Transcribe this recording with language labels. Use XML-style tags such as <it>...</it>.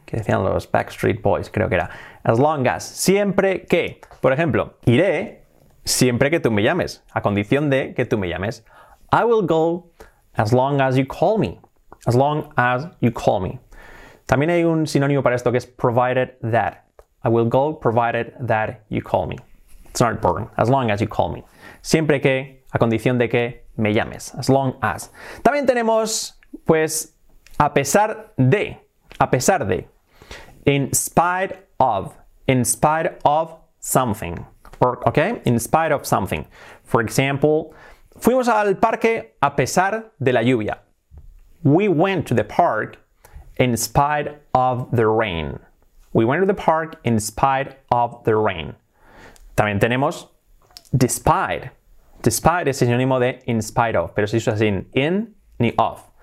<es>Que decían los Backstreet Boys, creo que era. As long as. Siempre que. Por ejemplo, iré siempre que tú me llames. A condición de que tú me llames.</es> <en>I will go as long as you call me. As long as you call me.</en> <es>También hay un sinónimo para esto que es</es> <en>provided that. I will go provided that you call me. It's not important. As long as you call me.</en> <es>Siempre que, a condición de que me llames. As long as. También tenemos, pues, a pesar de. A pesar de.</es> <en>In spite of. In spite of something. Or, ok. In spite of something. For example,</en> <es>fuimos al parque a pesar de la lluvia.</es> <en>We went to the park in spite of the rain. We went to the park in spite of the rain.</en> <es>También tenemos despite. Despite es sinónimo de in spite of, pero se usa sin in ni of.</es>